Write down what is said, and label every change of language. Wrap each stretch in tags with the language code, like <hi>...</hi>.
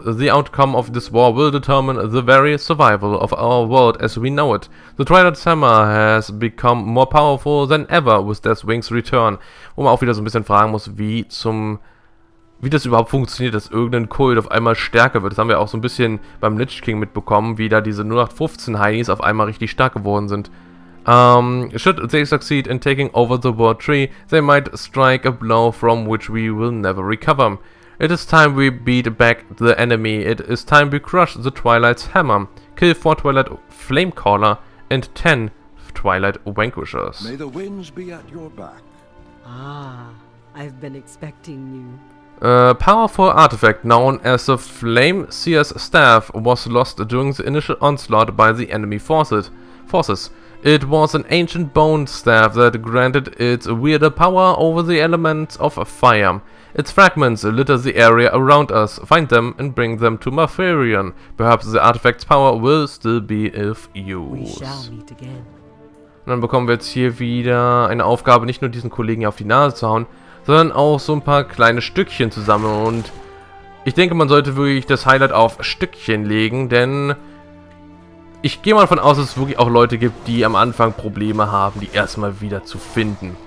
<en>The outcome of this war will determine the very survival of our world as we know it. The Twilight Summer has become more powerful than ever with Deathwing's return.</en> <de>Wo man auch wieder so ein bisschen fragen muss, wie das überhaupt funktioniert, dass irgendein Kult auf einmal stärker wird. Das haben wir auch so ein bisschen beim Lich King mitbekommen, wie da diese 0815 Heinis auf einmal richtig stark geworden sind.</de> <en>Should they succeed in taking over the World Tree, they might strike a blow from which we will never recover. It is time we beat back the enemy. It is time we crush the Twilight's Hammer. Kill 4 Twilight Flamecaller and 10 Twilight Vanquishers. May the winds be at your back. Ah, I've been expecting you. A powerful artifact known as the Flame Seer's Staff was lost during the initial onslaught by the enemy forces. It was an ancient bone staff that granted its wielder power over the elements of fire. Its fragments litter the area around us. Find them and bring them to Malfurion. Perhaps the artifact's power will still be of use. We shall meet again.</en> <de>Und dann bekommen wir jetzt hier wieder eine Aufgabe, nicht nur diesen Kollegen hier auf die Nase zu hauen, sondern auch so ein paar kleine Stückchen zu sammeln. Und ich denke, man sollte wirklich das Highlight auf Stückchen legen, denn ich gehe mal davon aus, dass es wirklich auch Leute gibt, die am Anfang Probleme haben, die erstmal wieder zu finden.</de>